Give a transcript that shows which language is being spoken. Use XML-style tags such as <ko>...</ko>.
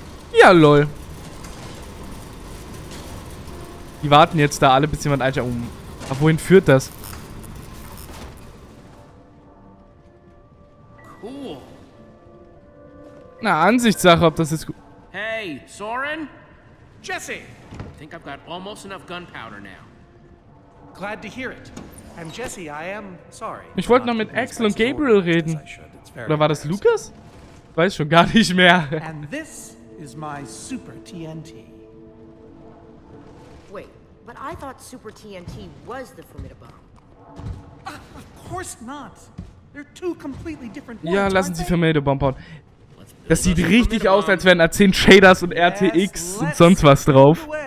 <de>Ja, lol. Die warten jetzt da alle, bis jemand einschaut. Oh, aber wohin führt das? Cool. Na, Ansichtssache, ob das jetzt gut. Hey, Soren? Jesse!</de> <en>I think I've got almost enough gunpowder now. Glad to hear it. I'm Jesse, I am sorry.</en> <de>Ich wollte noch mit Axel und Gabriel reden. Oder war das Lucas? Ich weiß schon gar nicht mehr.</de> <en>And this is my Super TNT. Wait, but I thought Super TNT was the Formidabomb. Of course not. They're two completely different</en> <de>ones. Ja, lassen Sie Formidabomb bauen. Das sieht richtig aus, als wären A10 Shaders und RTX und sonst was drauf.</de>